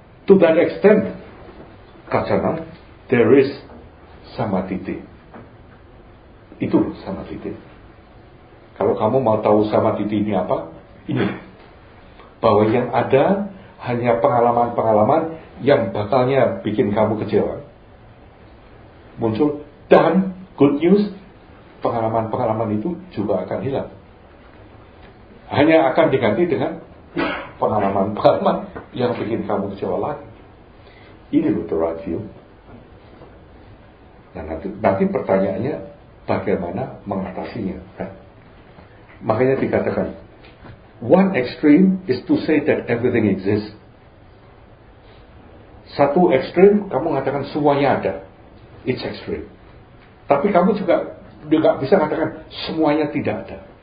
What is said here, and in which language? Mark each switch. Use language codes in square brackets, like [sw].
[en] to that extent, kacana, there is samadhiti. [id] Itu samadhiti. Kalau kamu mau tahu samadhiti ini apa, ini. Bahwa yang ada hanya pengalaman-pengalaman yang bakalnya bikin kamu kecewa. Muncul, dan good news, pengalaman-pengalaman itu juga akan hilang. Hanya akan diganti dengan pengalaman-pengalaman yang bikin kamu kecewa lagi. Ini loh [en] the right view. [id] Nah, nanti pertanyaannya bagaimana mengatasinya. Makanya dikatakan, [en] one extreme is to say that everything exists. [id] Satu extreme, kamu mengatakan semuanya ada. [en] It's extreme. [id] Tapi kamu juga tidak bisa mengatakan semuanya tidak ada.